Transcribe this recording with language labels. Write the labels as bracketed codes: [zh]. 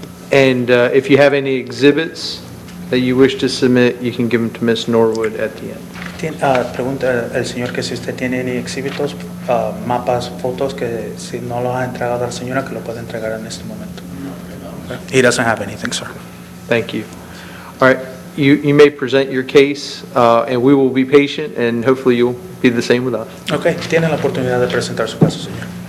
[en] If you have any exhibits that you wish to submit, you can give them to Ms. Norwood at the end. [es] Pregunta el señor que si usted tiene ni exhibitos, mapas, fotos, que si no los ha entregado a la señora, que lo puede entregar en este momento. [en] He doesn't have anything, sir. Thank you. All right, you may present your case, and we will be patient, and hopefully you'll be the same with us. [es] Okay, tiene la oportunidad de presentar su caso, señor.